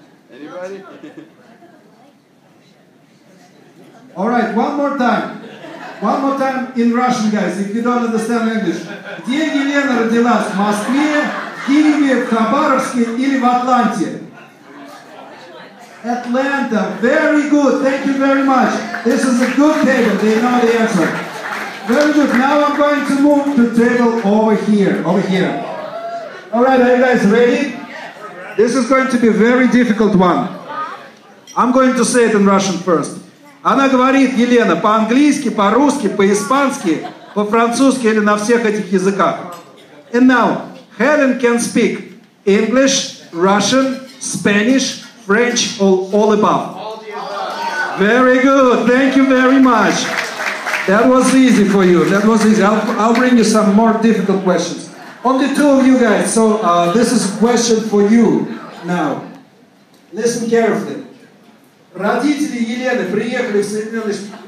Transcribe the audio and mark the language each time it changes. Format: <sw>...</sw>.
<en>Anybody? All right, one more time. One more time in Russian, guys, if you don't understand English.</en> <ru>Где Елена родилась? В Москве, Киеве, в Хабаровске или в Атланте?</ru> <en>Atlanta. Very good. Thank you very much. This is a good table. They know the answer. Very good. Now I'm going to move to the table over here. Over here. All right, are you guys ready? This is going to be a very difficult one. I'm going to say it in Russian first.</en> <ru>Она говорит, Елена, по-английски, по-русски, по-испански, по-французски или на всех этих языках.</ru> <en>And now, Helen can speak English, Russian, Spanish, French, all above. Very good. Thank you very much. That was easy for you. That was easy. I'll bring you some more difficult questions. Only two of you guys. So this is a question for you now. Listen carefully.</en> <ru>Родители Елены приехали в Соединенные Штаты.</ru>